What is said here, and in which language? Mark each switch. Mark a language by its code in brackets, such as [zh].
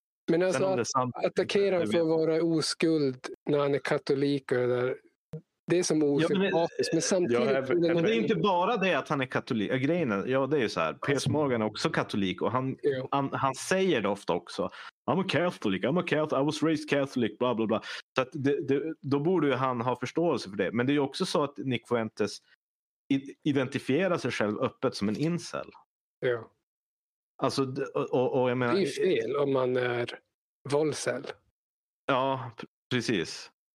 [sv] Men alltså, att attackera för att vara oskuld när han är katolik och det där. Det är som osympatiskt, men samtidigt... Men det är inte bara det att han är katolik. Grejen är, ja, det är ju så här. Piers Morgan är också katolik och han säger det ofta också. [en] I'm a Catholic. I was raised Catholic, bla bla bla. [sv] Så att då borde ju han ha förståelse för det. Men det är ju också så att Nick Fuentes identifierar sig själv öppet som en incel. Ja. Alltså, och jag menar... Det är fel om man är våldsel. Ja, precis.